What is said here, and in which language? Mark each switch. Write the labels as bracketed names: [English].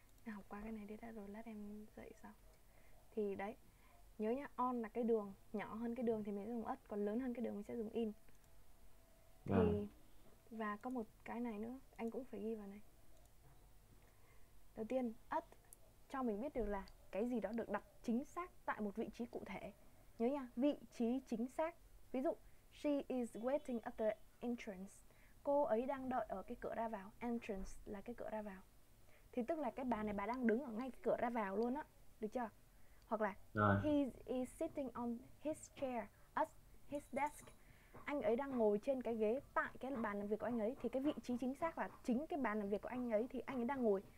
[Vietnamese] Học qua cái này đi đã rồi, lát em dạy sau. Thì đấy, nhớ nhá, on là cái đường, nhỏ hơn cái đường thì mình sẽ dùng at, còn lớn hơn cái đường mình sẽ dùng in. Thì và có một cái này nữa, anh cũng phải ghi vào này. Đầu tiên, at cho mình biết được là cái gì đó được đặt chính xác tại một vị trí cụ thể. Nhớ nha, vị trí chính xác. Ví dụ, [English] she is waiting at the entrance. [Vietnamese] Cô ấy đang đợi ở cái cửa ra vào. Entrance là cái cửa ra vào. Thì tức là cái bà này bà đang đứng ở ngay cái cửa ra vào luôn á, được chưa? Hoặc là [English] he is sitting on his chair at his desk. [Vietnamese] Anh ấy đang ngồi trên cái ghế tại cái bàn làm việc của anh ấy. Thì cái vị trí chính xác là chính cái bàn làm việc của anh ấy, thì anh ấy đang ngồi.